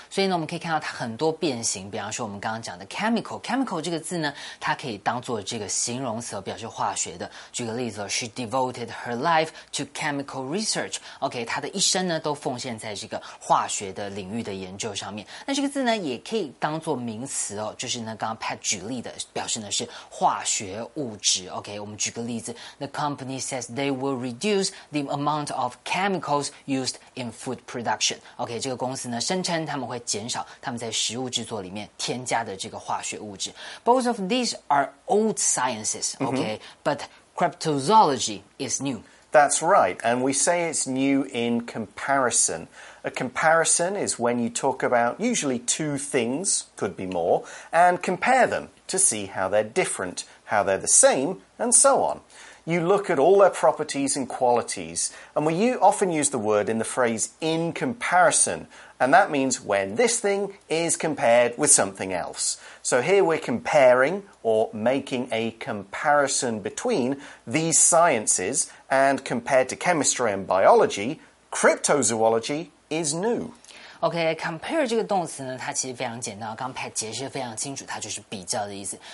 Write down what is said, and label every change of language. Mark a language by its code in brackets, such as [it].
[zh] 所以呢我们可以看到它很多变形比方说我们刚刚讲的 chemical 这个字呢它可以当作这个形容词表示化学的。举个例子 [en] she devoted her life to chemical research. [zh] Okay, 她的一生呢都奉献在这个化学的领域的研究上面。那这个字呢也可以当作名词哦就是呢刚刚 Pat 举例的表示呢是化学物质。 [en] OK, [zh] 我们举个例子 [en] The company says they will reduce the amount of chemicals used in food production. [zh] OK, 这个公司呢声称他们会减少他们在食物制作里面添加的这个化学物质 [en] Both of these are old sciences, OK,、mm-hmm. but cryptozoology is new. That's right, and we say it's new in comparison. A comparison is when you talk about usually two things, could be more, and compare them to see how they're different, how they're the same, and so on. You look at all their properties and qualities, and we often use the word in the phrase in comparison, and that means when this thing is compared with something else. So here we're comparing or making a comparison between these sciences,And compared to chemistry and biology, cryptozoology is new. [zh] Okay, compare 这个动词呢，它其实非常简单。刚 Pat 解释非常清楚，它就是比较的意思。